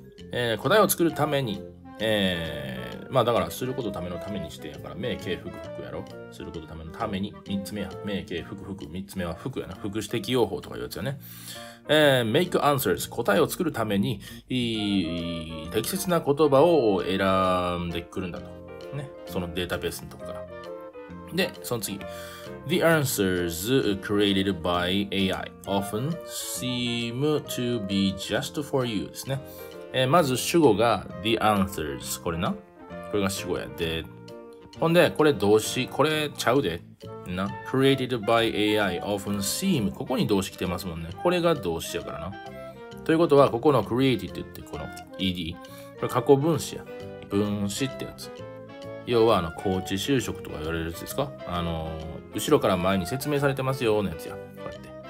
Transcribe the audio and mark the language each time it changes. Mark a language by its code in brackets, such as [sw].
[ja] 答えを作るために、まあだからすることためのためにしてやから、名形複複やろ、することためのために3つ目や、名形複複、3つ目は複やな、複指摘用法とか言うやつやね、 [en] make answers、 [ja] 答えを作るために適切な言葉を選んでくるんだと、ね、そのデータベースのとこから。で、その次。 [en] The answers created by AI often seem to be just for you [ja] ですね。まず主語が [en] the answers。 [ja] これな。これが主語や。で、ほんで、これ動詞。これちゃうで。な。 [en] created by AI often seem。 [ja] ここに動詞来てますもんね。これが動詞やからな。ということは、ここの created ってこの ed。これ過去分詞や。分詞ってやつ。要は、高知就職とか言われるやつですか、後ろから前に説明されてますよ、のやつや。こうやって。